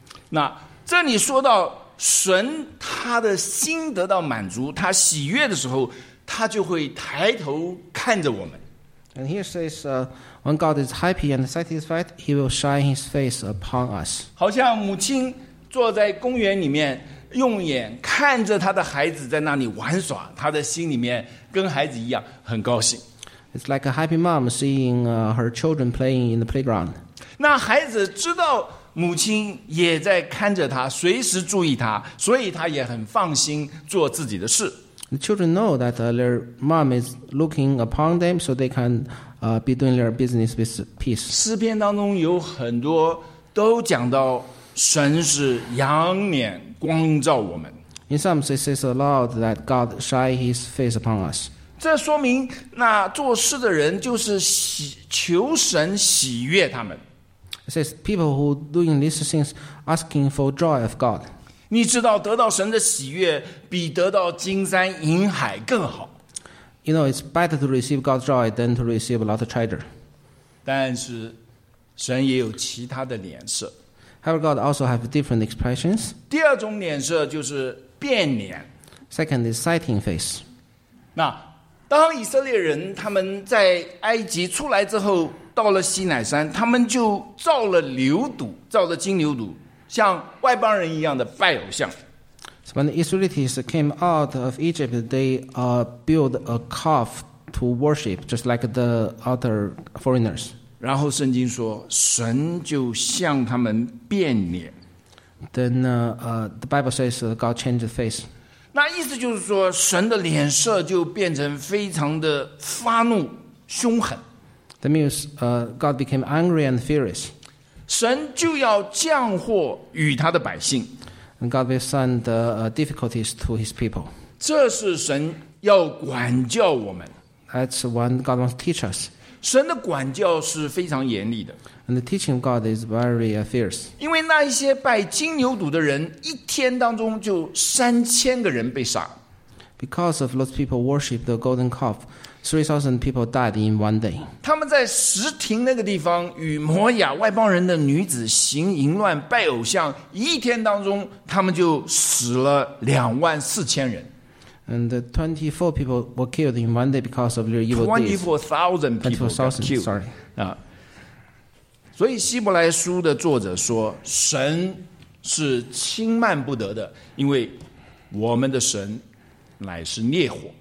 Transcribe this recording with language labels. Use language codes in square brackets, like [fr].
[zh] 那这里说到神他的心得到满足，他喜悦的时候，他就会抬头看着我们。 [en] And here says, when God is happy and satisfied, He will shine His face upon us. [zh] 好像母亲坐在公园里面，用眼看着她的孩子在那里玩耍，她的心里面跟孩子一样很高兴。 [en] It's like a happy mom seeing her children playing in the playground. [zh] 那孩子知道母亲也在看着他，随时注意他，所以他也很放心做自己的事。 [en] The children know that their mom is looking upon them, so they can be doing their business with peace. [zh] 诗篇当中有很多都讲到神是仰脸光照我们。 [en] In Psalms, it says a lot that God shine His face upon us. [zh] 这说明那做事的人就是求神喜悦他们。 [en] It says people who doing these things asking for joy of God. [zh] 你知道得到神的喜悦比得到金山银海更好。 [en] You know, it's better to receive God's joy than to receive a lot of treasure. [zh] 但是神也有其他的脸色。 [en] However, God also has different expressions. [zh] 第二种脸色就是变脸。 [en] Second is sighting face. [zh] 那当以色列人他们在埃及出来之后到了西乃山，他们就造了牛犊，造了金牛犊。像外邦人一样的拜偶像。 [en] So when the Israelites came out of Egypt, they built a calf to worship, just like the other foreigners. [zh] 然后圣经说，神就向他们变脸。 [en] Then the Bible says God changed the face. [zh] 那意思就是说，神的脸色就变成非常的发怒、凶狠。 [en] That means God became angry and furious. [zh] 神就要降祸与他的百姓。 [en] And God will send difficulties to his people. [zh] 这是神要管教我们。 [en] That's what God wants to teach us. [zh] 神的管教是非常严厉的。 [en] And the teaching of God is very fierce. [zh] 因为那一些拜金牛犊的人，一天当中就3000个人被杀。 [en] Because of those people worship the golden calf, 3,000 people died in one day. [zh] 他们在石亭那个地方与摩亚外邦人的女子行淫乱拜偶像，一天当中他们就死了24,000人。 [en] And 24 people were killed in one day because of their evil deeds. 24,000 people got killed. Sorry. [zh] 所以希伯来书的作者说，神是轻慢不得的，因为我们的神乃是烈火。